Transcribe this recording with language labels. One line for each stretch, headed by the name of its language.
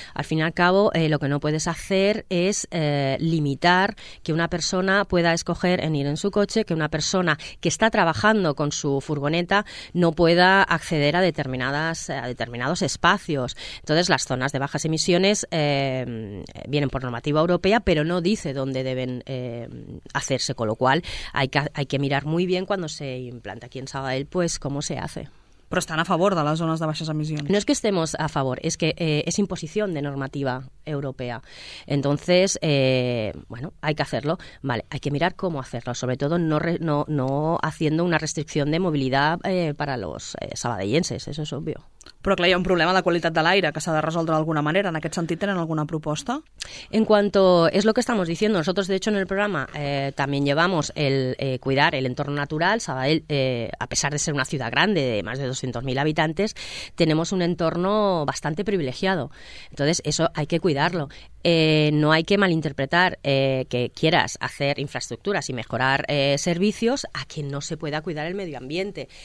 Spanish: Al fin y al cabo, lo que no puedes hacer es limitar que una persona pueda escoger en ir en su coche, que una persona que está trabajando con su furgoneta no pueda acceder a determinados espacios. Entonces, las zonas de bajas emisiones vienen por normativa europea, pero no dice dónde deben hacerse, con lo cual hay que mirar muy bien cuando se implanta aquí en Sabadell, pues cómo se hace.
Catalan: Però estan a favor de les zones de baixes emissions. No és que
Spanish: estemos
Catalan: a favor, és que és imposició de normativa europea.
Spanish: Entonces, bueno, hay que hacerlo. Vale, hay que mirar cómo hacerlo, sobre todo no haciendo una restricción de movilidad para los sabadellenses, eso es obvio.
Catalan: Però clar, hi ha un problema de qualitat de l'aire que s'ha de resoldre d'alguna manera. En aquest sentit, tenen alguna proposta?
Spanish: En cuanto, es lo que estamos diciendo. Nosotros, de hecho, en el programa también llevamos el cuidar el entorno natural. Sabadell, a pesar de ser una ciudad grande, de más de 200.000 habitantes, tenemos un entorno bastante privilegiado. Entonces, eso hay que cuidarlo. No hay que malinterpretar que quieras hacer infraestructuras y mejorar servicios a que no se pueda cuidar el medio ambiente.